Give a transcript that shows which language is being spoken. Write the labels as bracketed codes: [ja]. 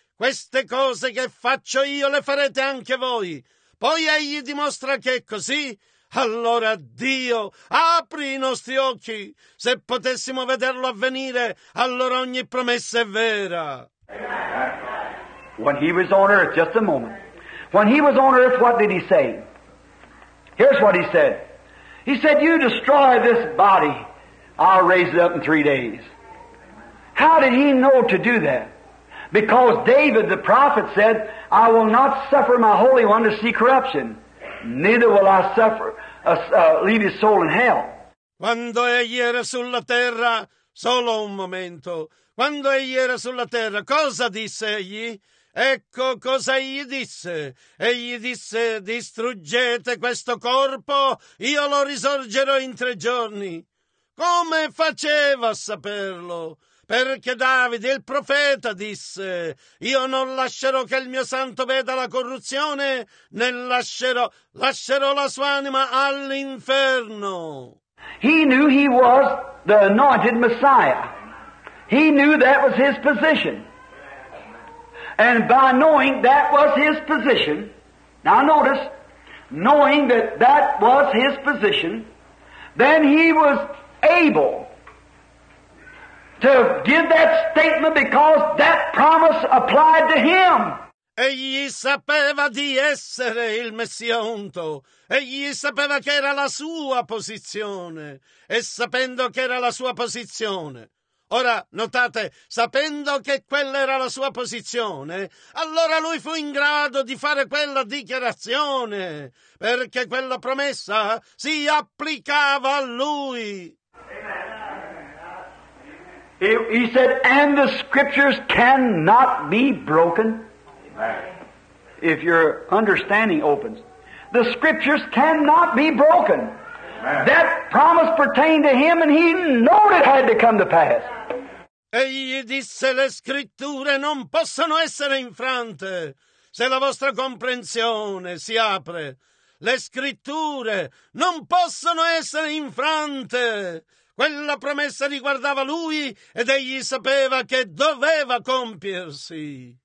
[it] Queste cose che faccio io le farete anche voi. Poi Egli dimostra che è così. Allora Dio, apri i nostri occhi. Se potessimo vederlo avvenire, allora ogni promessa è vera. [en] When He was on earth, just a moment. When He was on earth, what did He say? Here's what He said. He said, you destroy this body, I'll raise it up in 3 days. How did He know to do that? Because David, the prophet, said, I will not suffer my Holy One to see corruption, neither will I suffer, leave his soul in hell. [it] Quando egli era sulla terra, solo un momento, quando egli era sulla terra, cosa disse egli? Ecco cosa egli disse. Egli disse, distruggete questo corpo, io lo risorgerò in 3 giorni. Come faceva a saperlo? Perché Davide, il profeta, disse, io non lascerò che il mio santo veda la corruzione, né lascerò la sua anima all'inferno. [en] He knew he was the anointed Messiah. He knew that was his position. And by knowing that was his position, now notice, knowing that that was his position, then he was able to give that statement because that promise applied to him. [it] Egli sapeva di essere il messionto. Egli sapeva che era la sua posizione. E sapendo che era la sua posizione. Ora, notate, sapendo che quella era la sua posizione, allora lui fu in grado di fare quella dichiarazione, perché quella promessa si applicava a lui. [en] He said, and the scriptures cannot be broken. If your understanding opens, the scriptures cannot be broken. Amen. That promise pertained to him, and he knew it had to come to pass. [it] Egli disse, le scritture non possono essere infrante. Se la vostra comprensione si apre, le scritture non possono essere infrante. Quella promessa riguardava lui, ed egli sapeva che doveva compiersi.